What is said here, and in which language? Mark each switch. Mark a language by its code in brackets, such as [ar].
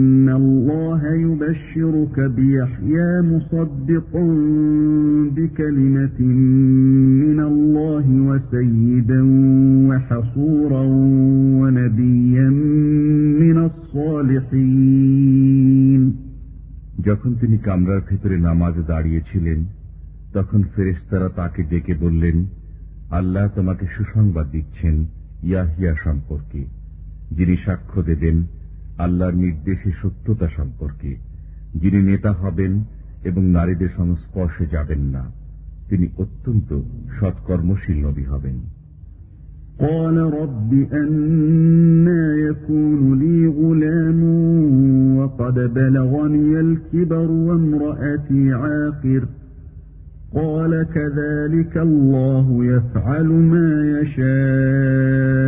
[ar] الله يبشرك بيحيى مصدقا بكلمة من الله وسيدا وحصورا ونبيا من الصالحين [bn] যখন তিনি কামরার ভিতরে নামাজে দাঁড়িয়েছিলেন, তখন ফেরেশতারা তাকে ডেকে বললেন, আল্লাহ তোমাকে সুসংবাদ দিচ্ছেন ইয়াহিয়া সম্পর্কে, যিনি সাক্ষ্য দেবেন আল্লাহর নির্দেশে সত্যতা সম্পর্কে, যিনি নেতা হবেন এবং নারীদের সংস্পর্শে যাবেন না, তিনি অত্যন্ত সৎকর্মশীল নবী হবেন। [ar] قال رب أنى يكون لي غلام وقد بلغني الكبر وامرأتي عاقر قال كذلك الله يفعل ما يشاء